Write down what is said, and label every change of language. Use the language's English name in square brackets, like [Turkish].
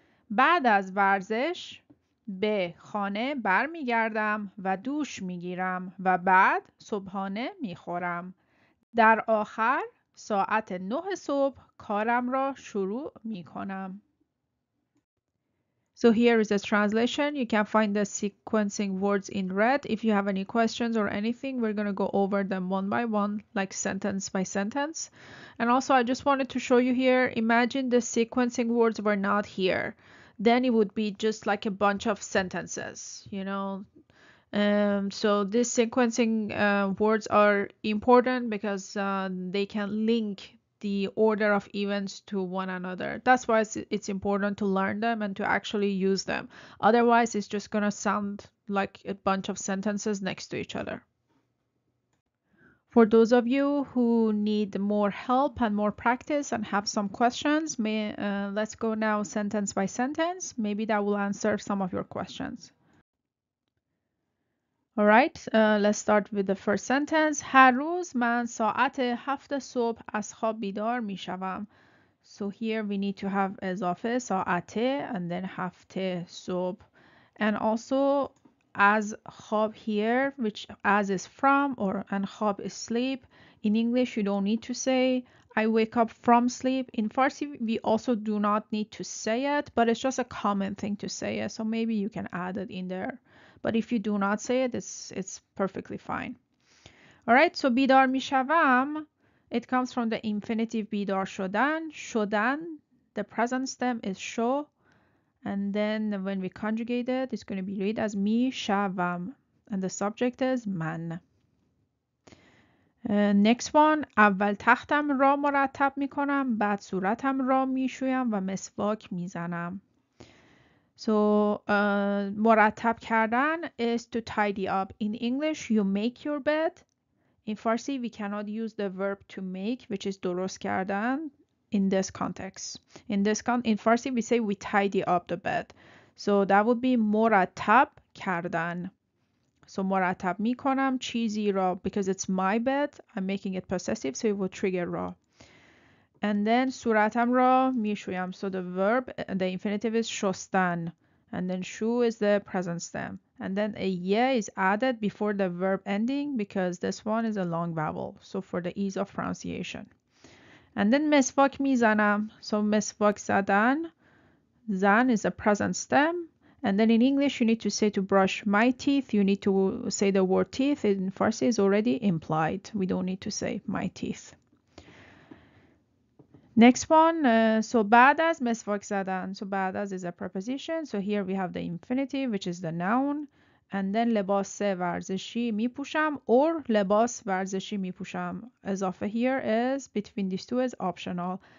[Persian] بعد از ورزش به خانه بر می گردم و دوش می گیرم و بعد صبحانه می خورم. در آخر ساعت 9 صبح کارم را شروع می کنم. [English] So here is the translation. You can find the sequencing words in red. If you have any questions or anything, we're going to go over them one by one, like sentence by sentence. And also, I just wanted to show you here, imagine the sequencing words were not here. Then it would be just like a bunch of sentences, you know. So this sequencing words are important because they can link the order of events to one another. That's why it's important to learn them and to actually use them. Otherwise, it's just going to sound like a bunch of sentences next to each other. For those of you who need more help and more practice and have some questions, let's go now sentence by sentence. Maybe that will answer some of your questions. All right, let's start with the first sentence. [Persian] هر روز من ساعت 7 صبح از خواب بیدار می شوم. [English] So here we need to have اضافه ساعت and then 7 صبح. And also as خواب here, which as is from, or and خواب is sleep. In English, you don't need to say I wake up from sleep. In Farsi, we also do not need to say it, but it's just a common thing to say it. So maybe you can add it in there. But if you do not say it, it's perfectly fine. All right, so بیدار می شوم. It comes from the infinitive بیدار شدن. شدن, the present stem is شو. And then when we conjugate it, it's going to be read as می شوم. And the subject is من. Next one. [Persian] اول تختم را مرتب می کنم. بعد صورتم را می شویم و مسواک می زنم. [English] So, مرتب کردن is to tidy up. In English, you make your bed. In Farsi, we cannot use the verb to make, which is درست کردن, in this context. In Farsi, we say we tidy up the bed. So that would be مرتب کردن. So [Persian] مرتب می کنم چیزی را, [English] because it's my bed, I'm making it possessive, so it would trigger را. [Persian] And then صورتم را می شویم. [English] So the verb, the infinitive is شستن. And then شو is the present stem. And then a ye is added before the verb ending because this one is a long vowel. So for the ease of pronunciation. And then مسواک میزنم. So مسواک زدن. زن is a present stem. And then in English, you need to say to brush my teeth. You need to say the word teeth. In Farsi is already implied. We don't need to say my teeth. Next one, so [Persian] بعد از مسواک زدن. [English] So بعد از is a preposition. So here we have the infinitive, which is the noun. And then [Persian] لباس ورزشی می پوشم or لباس ورزشی می پوشم. [English] اضافه here is, between these two is optional.